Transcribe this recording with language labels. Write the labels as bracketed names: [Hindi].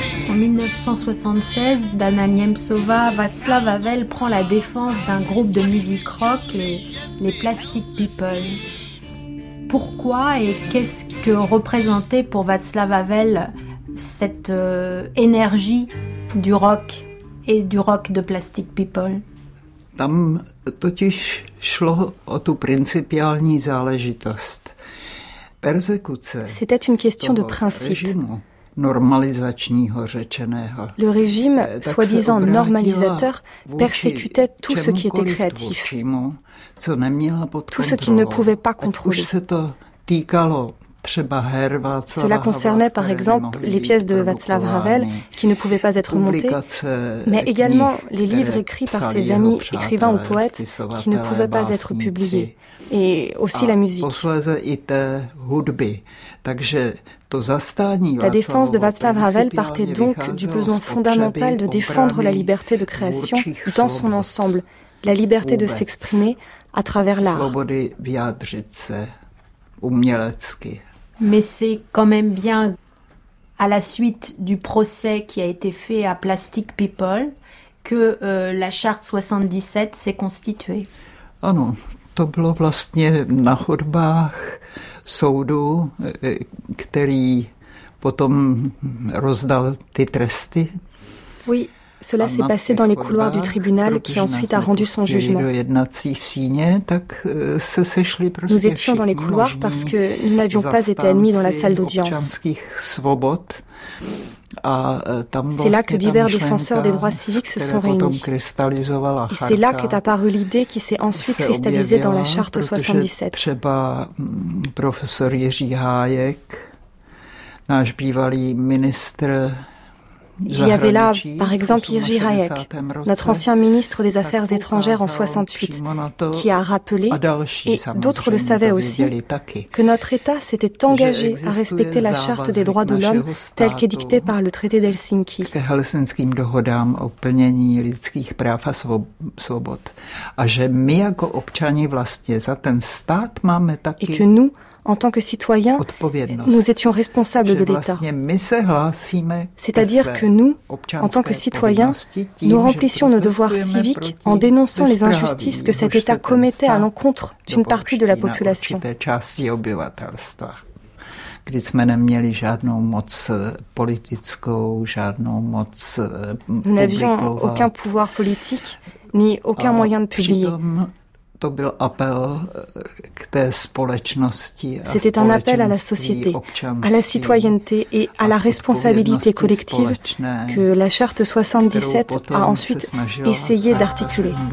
[French] En 1976, Dana Nemtsova, Václav Havel prend la défense d'un groupe de musique rock, les Plastic People. Pourquoi et qu'est-ce que représentait pour Václav Havel cette énergie du rock et du rock de Plastic People ? [Czech] Tam totiž šlo o tu principiální záležitost. Persekuce. [French] C'était une question de principe. Le régime, soi-disant normalisateur, persécutait tout ce qui était créatif, tout ce qu'il ne pouvait pas contrôler. Cela concernait par exemple les pièces de Václav Havel qui ne pouvaient pas être montées, mais également les livres écrits par ses amis écrivains ou poètes qui ne pouvaient pas être publiés. Et aussi la musique. La défense de Václav Havel partait donc du besoin fondamental de défendre la liberté de création dans son ensemble, la liberté de s'exprimer à travers l'art. Mais c'est quand même bien à la suite du procès qui a été fait à Plastic People que la charte 77 s'est constituée. [Czech] Ano, to bylo vlastně na chodbách soudu, který potom rozdal ty tresty. [French] Oui. Cela s'est passé dans les couloirs du tribunal qui ensuite a rendu son jugement. Nous étions dans les couloirs parce que nous n'avions pas été admis dans la salle d'audience. C'est là que divers défenseurs des droits civiques se sont réunis. Et c'est là qu'est apparue l'idée qui s'est ensuite cristallisée dans la charte 77. [Czech] Třeba profesor Jiří Hájek, náš bývalý ministr. [French] Il y avait là, par exemple, Jiří Hájek, notre ancien ministre des Affaires étrangères en 68, qui a rappelé, et d'autres le savaient aussi, que notre État s'était engagé à respecter la Charte des droits de l'homme telle qu'édictée par le traité d'Helsinki. [Czech] K helsinským dohodám o plnění lidských práv a svobod. A že my jako občani vlastně za ten stát máme taky. [French] Et que nous, en tant que citoyens, nous étions responsables de l'État. C'est-à-dire que nous, en tant que citoyens, nous remplissions nos devoirs civiques en dénonçant les injustices que cet État commettait à l'encontre d'une partie de la population. [Czech] Kdy jsme neměli žádnou moc politickou, žádnou moc publikovat. [French] Nous n'avions aucun pouvoir politique, ni aucun moyen de publier. [Czech] To byl apel k té společnosti a [French] c'était un appel à la société, à la citoyenneté et à la responsabilité collective que la charte 77 a ensuite essayé d'articuler.